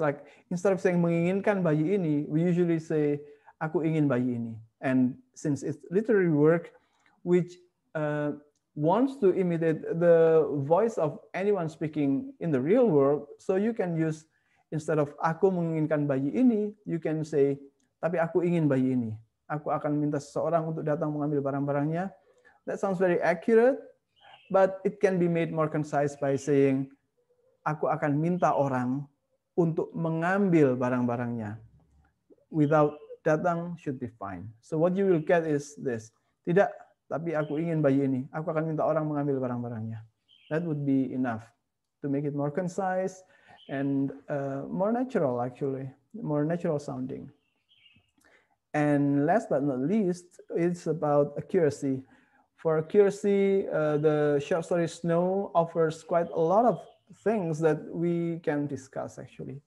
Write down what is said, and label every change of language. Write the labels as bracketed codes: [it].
[en] Like instead of saying [id] menginginkan bayi ini, [en] we usually say [id] aku ingin bayi ini. [en] And since it's literary work, which wants to imitate the voice of anyone speaking in the real world, so you can use, instead of [id] aku menginginkan bayi ini, [en] you can say [id] tapi aku ingin bayi ini. Aku akan minta seseorang untuk datang mengambil barang-barangnya. [en] That sounds very accurate, but it can be made more concise by saying [id] aku akan minta orang untuk mengambil barang-barangnya. [en] Without datang should be fine. So what you will get is this. [id] Tidak, tapi aku ingin bayi ini. Aku akan minta orang mengambil barang-barangnya. [en] That would be enough to make it more concise and more natural, actually, more natural sounding. And last but not least, it's about accuracy. For accuracy, the short story Snow offers quite a lot of things that we can discuss, actually.